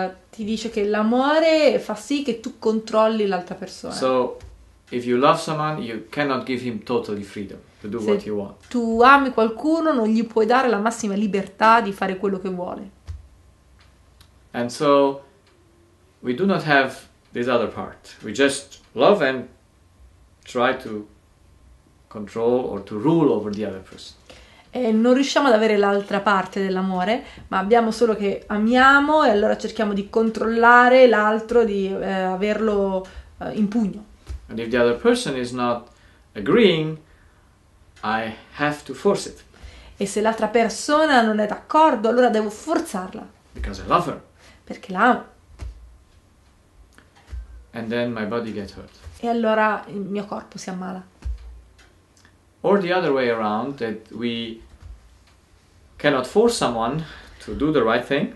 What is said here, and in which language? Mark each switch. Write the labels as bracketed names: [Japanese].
[Italian] ti dice che l'amore fa sì che tu controlli l'altra persona. [English] So, if you love someone, you cannot give him totally freedom to do what [Italian] Se [English] you want. [Italian] tu ami qualcuno, non gli puoi dare la massima libertà di fare quello che vuole. [English] And so we do not have this other part. We just love and try to control or to rule over the other person. [Italian] E non riusciamo ad avere l'altra parte dell'amore, ma abbiamo solo che amiamo e allora cerchiamo di controllare l'altro, di averlo in pugno. [English] And if the other person is not agreeing, I have to force it. [Italian] E se l'altra persona non è d'accordo, allora devo forzarla. Perché [English] Because I love her. [Italian] l'amo. [English] And then my body gets hurt. [Italian] E allora il mio corpo si ammala. [English] Or the other way around, that we cannot force someone to do the right thing.